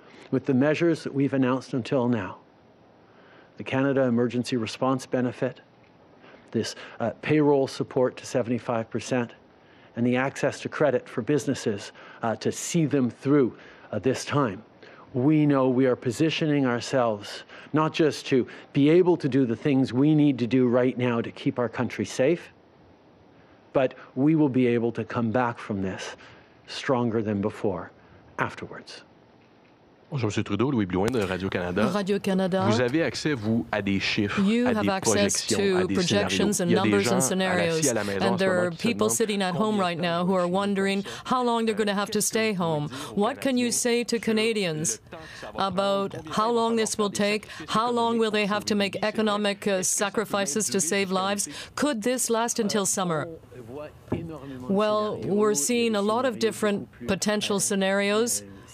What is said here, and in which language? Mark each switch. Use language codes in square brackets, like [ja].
[en] With the measures that we've announced until now, the Canada Emergency Response Benefit, this payroll support to 75%, and the access to credit for businesses to see them through this time, we know we are positioning ourselves not just to be able to do the things we need to do right now to keep our country safe, but we will be able to come back from this stronger than before afterwards. [fr] Bonjour, Monsieur Trudeau, Louis Blouin de Radio-Canada. Radio-Canada. Vous avez accès, vous, à des chiffres, à des projections, [en] to [fr] à des projections scénarios. [en] And numbers and scenarios. And there are people sitting at home right now who are wondering how long they're going to have to stay home. What can you say to Canadians about how long this will take? How long will they have to make economic sacrifices to save lives? Could this last until summer? Well, we're seeing a lot of different potential scenarios.